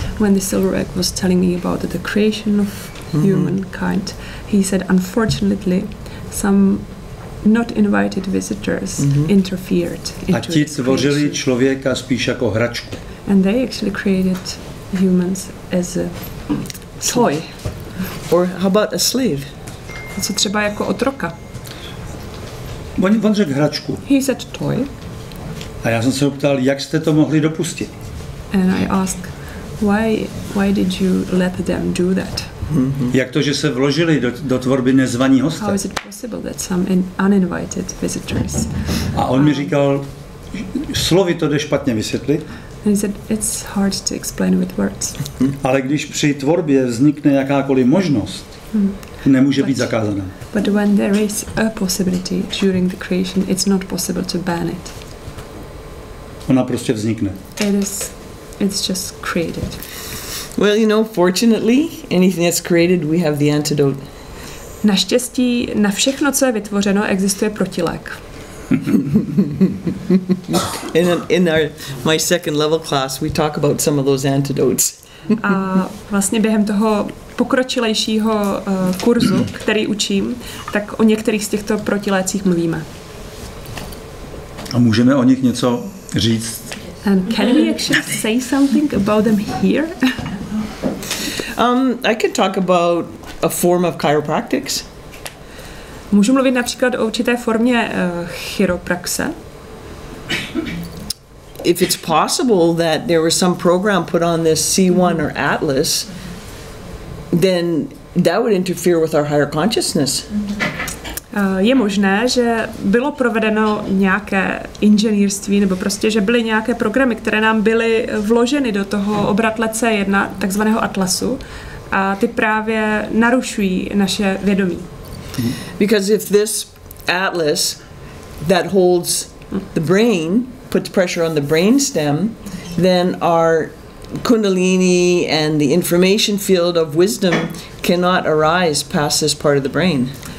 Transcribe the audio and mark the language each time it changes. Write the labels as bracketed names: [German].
[English] When the silverback was telling me about the creation of humankind, he said, unfortunately, some not invited visitors interfered into [Czech] a ti tvořili člověka spíš jako hračku. [English] And they actually created humans as a toy. Or how about a slave? [Czech] Co třeba jako otroka? On řekl hračku. [English] He said toy. [Czech] A já jsem se ho ptal, jak jste to mohli dopustit? [English] And I asked, why did you let them do that? [Czech] Mm-hmm. Jak to, že se vložili do tvorby nezvaní hosté? [English] How is it possible that some uninvited visitors? [Czech] A on mi říkal, slovy to jde špatně vysvětlit. [English] And he said, it's hard to explain with words. Mm-hmm. [Czech] Ale když při tvorbě vznikne jakákoliv možnost, nemůže být zakázaná. [English] But when there is a possibility during the creation, it's not possible to ban it. [Czech] Ona prostě vznikne. [English] It's just created. Well, you know, fortunately, anything that's created, we have the antidote. [Czech] Naštěstí, na všechno, co je vytvořeno, existuje protilék. [English] In our my second level class, we talk about some of those antidotes. [Czech] A vlastně během toho pokročilejšího kurzu, který učím, tak o některých z těchto protilécích mluvíme. A můžeme o nich něco říct? [English] And can we actually say something about them here? I could talk about a form of chiropractics. [Czech] Můžu mluvit například o určité formě chiropraxe. [English] If it's possible that there was some program put on this C1 or Atlas, then that would interfere with our higher consciousness. [Czech] Je možné, že bylo provedeno nějaké inženýrství, nebo prostě, že byly nějaké programy, které nám byly vloženy do toho obratle C1, takzvaného Atlasu, a ty právě narušují naše vědomí. [English] Because if this Atlas that holds the brain puts pressure on the brain stem, then our kundalini and the information field of wisdom cannot arise past this part of the brain.